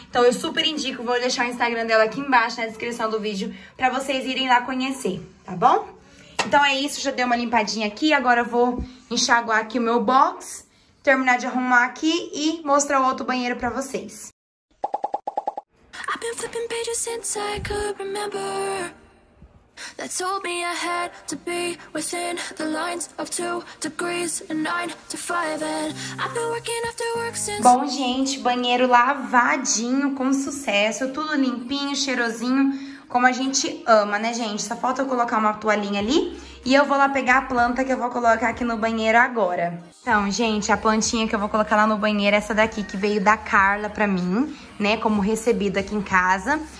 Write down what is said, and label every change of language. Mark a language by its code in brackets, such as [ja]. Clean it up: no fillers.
[pt] Então eu super indico, vou deixar o Instagram dela aqui embaixo na descrição do vídeo pra vocês irem lá conhecer, tá bom? Então é isso, já dei uma limpadinha aqui. Agora eu vou enxaguar aqui o meu box, terminar de arrumar aqui e mostrar o outro banheiro pra vocês. [en] Been flipping pages since I could remember. That told me I had to be within the lines of 2 degrees and 9 to 5. And I've been working after work since. [pt] Bom, gente, banheiro lavadinho com sucesso. Tudo limpinho, cheirosinho, como a gente ama, né, gente? Só falta eu colocar uma toalhinha ali. E eu vou lá pegar a planta que eu vou colocar aqui no banheiro agora. Então, gente, a plantinha que eu vou colocar lá no banheiro é essa daqui, que veio da Carla pra mim, né, como recebido aqui em casa.